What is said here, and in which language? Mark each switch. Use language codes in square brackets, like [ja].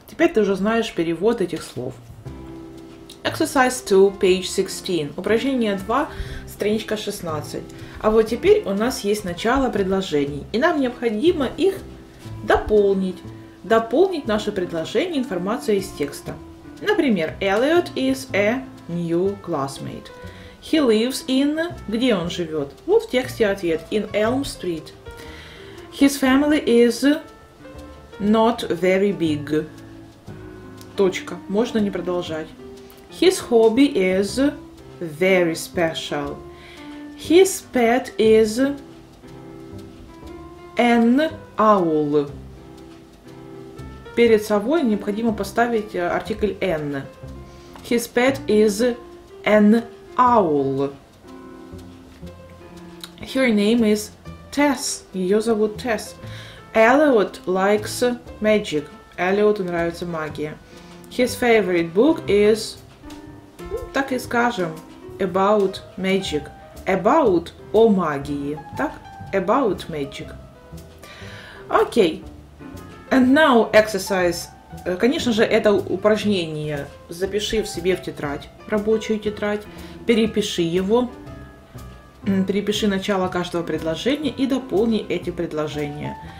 [ru] Теперь ты уже знаешь перевод этих слов. [en] Exercise 2, page 16. [ru] Упражнение 2, страничка 16. А вот теперь у нас есть начало предложений. И нам необходимо их дополнить. Дополнить наше предложение информацией из текста. [en] Например, Elliot is a new classmate. He lives in... [ru] Где он живет? Вот в тексте ответ. [en] In Elm Street. His family is not very big. [ru] Точка. Можно не продолжать. [en] His hobby is very special. His pet is an owl. [ru] Перед совой необходимо поставить артикль n. [en] His pet is an owl. Her name is Tess. [ru] Ее зовут Тесс. [en] Elliot likes magic. [ru] Эллиоту нравится магия. [en] His favorite book is, [ru] так и скажем, [en] about magic. [ru] About о магии. Так? [en] About magic. [ru] Окей. [en] And now exercise. [ru] Конечно же, это упражнение. Запиши в себе в тетрадь, рабочую тетрадь. Перепиши его. Перепиши начало каждого предложения и дополни эти предложения.